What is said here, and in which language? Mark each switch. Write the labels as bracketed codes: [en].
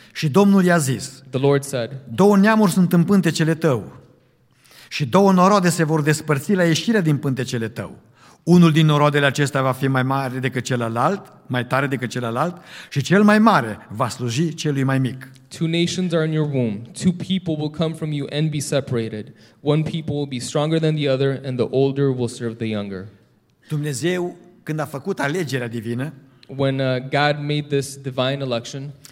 [ro] Și Domnul i-a zis, [en] the Lord said, [ro] două neamuri sunt în pântecele tău și două noroade se vor despărți la ieșirea din pântecele tău. Unul din noroadele acestea va fi mai mare decât celălalt, mai tare decât celălalt, și cel mai mare va sluji celui mai mic. [en] Two nations are in your womb. Two people will come from you and be separated. One people will be stronger than the other and the older will serve the younger. [ro] Dumnezeu, când a făcut alegerea divină, [en] when God made this divine election,